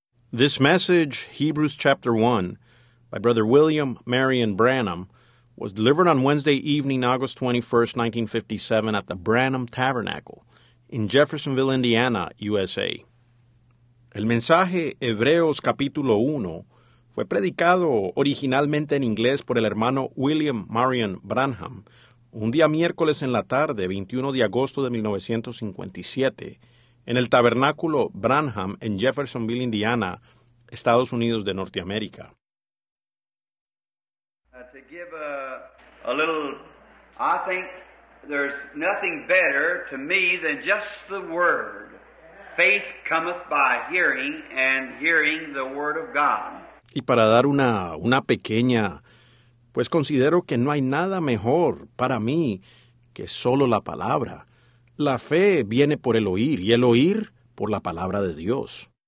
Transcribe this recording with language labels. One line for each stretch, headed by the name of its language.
English: This message, Hebrews chapter 1, by Brother William Marion Branham, was delivered on Wednesday evening, August 21st, 1957, at the Branham Tabernacle in Jeffersonville, Indiana, USA.
Spanish: El mensaje Hebreos capítulo 1 fue predicado originalmente en inglés por el hermano William Marion Branham un día miércoles en la tarde, 21 de agosto de 1957, en el Tabernáculo Branham en Jeffersonville, Indiana, Estados Unidos de Norteamérica.
English: To give a little, I think there's nothing better to me than just the word. Faith cometh by hearing, and hearing the word of God.
Spanish: Y para dar una pequeña, pues considero que no hay nada mejor para mí que solo la palabra. La fe viene por el oír, y el oír por la palabra de Dios.